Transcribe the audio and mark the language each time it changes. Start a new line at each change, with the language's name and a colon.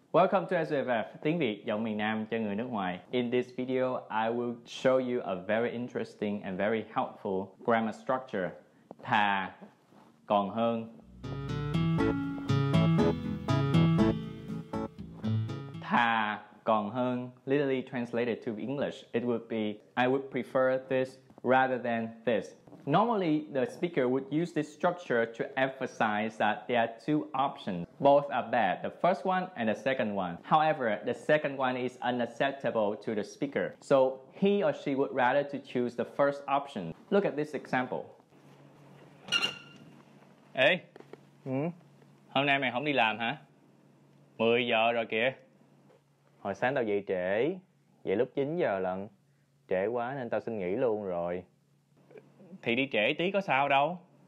English: Welcome to
Vietnamese: Svff, tiếng Việt giọng miền Nam cho người nước ngoài.
English: In this video, I will show you a very interesting and very helpful grammar structure.
Vietnamese: Thà, còn hơn. Thà, còn hơn,
English: literally translated to English, it would be I would prefer this rather than this. Normally, the speaker would use this structure to emphasize that there are two options. Both are bad, the first one and the second one. However, the second one is unacceptable to the speaker. So he or she would rather to choose the first option. Look at this example.
Vietnamese: Ê, hôm nay mày không đi làm hả? 10 giờ rồi kìa. Hồi sáng tao dậy trễ, dậy lúc 9 giờ lận. Trễ quá nên tao xin nghỉ luôn rồi. Thì đi trễ tí có sao đâu.